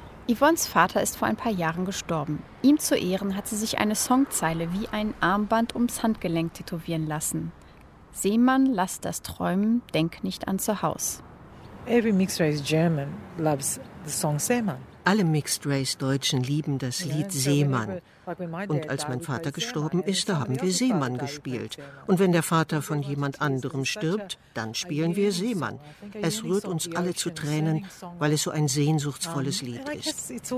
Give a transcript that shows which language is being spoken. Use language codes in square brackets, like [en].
[de] Yvonnes Vater ist vor ein paar Jahren gestorben. Ihm zu Ehren hat sie sich eine Songzeile wie ein Armband ums Handgelenk tätowieren lassen. Seemann, lass das träumen, denk nicht an zu Haus. [en] Every mixed race German loves the song Seemann. [de] Alle Mixed-Race-Deutschen lieben das Lied Seemann. Und als mein Vater gestorben ist, da haben wir Seemann gespielt. Und wenn der Vater von jemand anderem stirbt, dann spielen wir Seemann. Es rührt uns alle zu Tränen, weil es so ein sehnsuchtsvolles Lied ist.